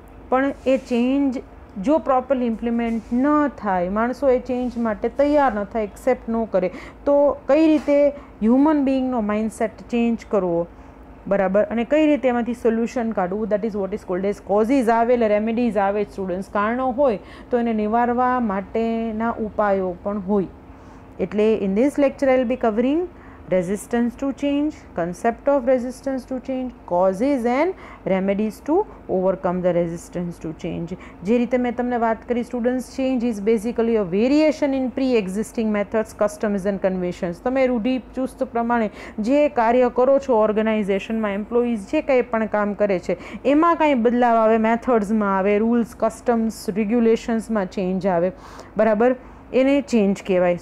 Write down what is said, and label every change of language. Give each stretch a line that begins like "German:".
Gujarati: પણ એ ચેન્જ જો properly implement ન થાય, માણસો એ ચેન્જ માટે તૈયાર ન થાય, એક્સેપ્ટ ન કરે, તો કઈ રીતે હ્યુમન બિઈંગનો માઇન્ડસેટ ચેન્જ કરવો, બરાબર, અને કઈ રીતે એમાંથી સોલ્યુશન કાઢવું,
English: that is what is called as causes
Gujarati: આવે, એટલે રેમેડીઝ આવે. સ્ટુડન્ટ્સ, કારણો હોય તો એને નિવારવા માટેના ઉપાયો પણ હોય. એટલે
English: In this lecture I will be covering resistance to change, concept of resistance to change, causes and remedies to overcome the resistance to change.
Gujarati: જે રીતે મેં તમને વાત કરી
English: Students, change is basically a variation in pre existing methods, customs and conventions.
Gujarati: તમે રૂઢિચુસ્ત પ્રમાણે જે કાર્ય કરો છો ઓર્ગેનાઇઝેશનમાં, એમ્પ્લોઈઝ જે કંઈ પણ કામ કરે છે એમાં કાંઈ બદલાવ આવે, મેથડ્સમાં આવે, રૂલ્સ કસ્ટમ્સ રેગ્યુલેશન્સમાં ચેન્જ આવે, બરાબર, એને ચેન્જ કહેવાય.